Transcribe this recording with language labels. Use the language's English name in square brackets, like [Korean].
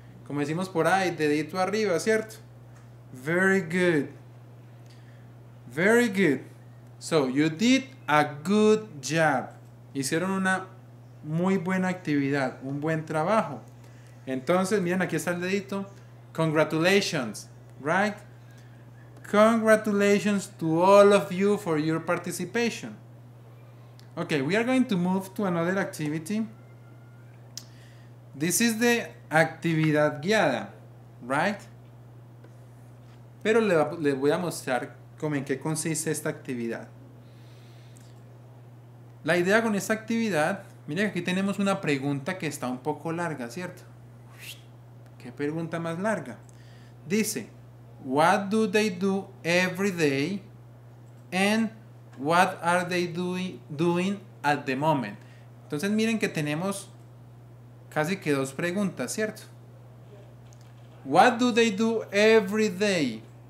[Spanish] Como decimos por ahí, dedito arriba, ¿cierto? [English] Very good. Very good. So, you did a good job. [Spanish] Hicieron una muy buena actividad, un buen trabajo. Entonces, miren, aquí está el dedito. [English] Congratulations, right? Congratulations to all of you for your participation. Okay, we are going to move to another activity. This is the actividad guiada, right? [Spanish] Pero le voy a mostrar cómo en qué consiste esta actividad. La idea con esta actividad, mire que aquí tenemos una pregunta que está un poco larga, ¿cierto? ¿Qué pregunta más larga? [English] Dice, what do they do every day and what are they doing at the moment? [Spanish] Entonces miren que tenemos casi que dos preguntas, ¿cierto? [English] What do they do every day?